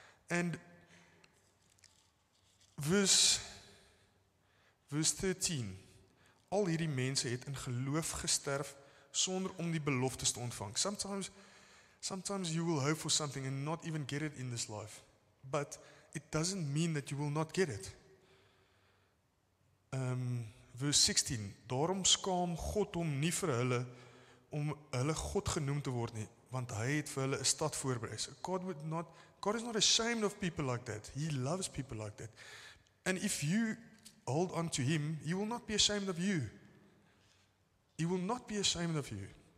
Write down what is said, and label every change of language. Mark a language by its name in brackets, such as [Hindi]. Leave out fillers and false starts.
[Afrikaans] And verse 13, al hierdie mense het in geloof gesterf sonder om die beloftes te ontvang. [English] Sometimes you will hope for something and not even get it in this life, but it doesn't mean that you will not get it. [Afrikaans] Verse 16, daarom skaam God hom nie vir hulle om hulle God genoem te word nie, want hy het vir hulle 'n stad voorberei. [English] So God is not ashamed of people like that. He loves people like that. And if you hold on to him, he will not be ashamed of you. He will not be ashamed of you.